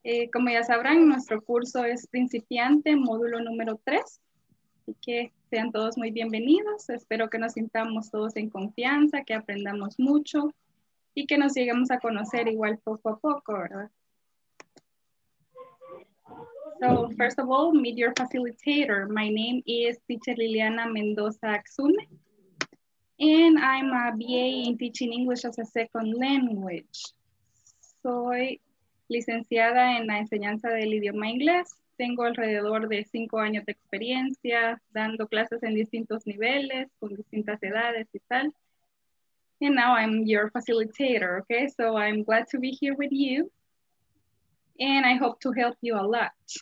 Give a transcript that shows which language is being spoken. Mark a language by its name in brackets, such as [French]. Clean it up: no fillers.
[Spanish] Como ya sabrán, nuestro curso es principiante, módulo número 3. Así que sean todos muy bienvenidos. Espero que nos sintamos todos en confianza, que aprendamos mucho y que nos lleguemos a conocer igual poco a poco, ¿verdad? [English] So, first of all, meet your facilitator. My name is Teacher Liliana Mendoza Axume, and I'm a BA in Teaching English as a Second Language. [Spanish] Soy licenciada en la enseñanza del idioma inglés. Tengo alrededor de 5 años de experiencia dando clases en distintos niveles, con distintas edades y tal. [English] And now I'm your facilitator, okay? So I'm glad to be here with you. And I hope to help you a lot.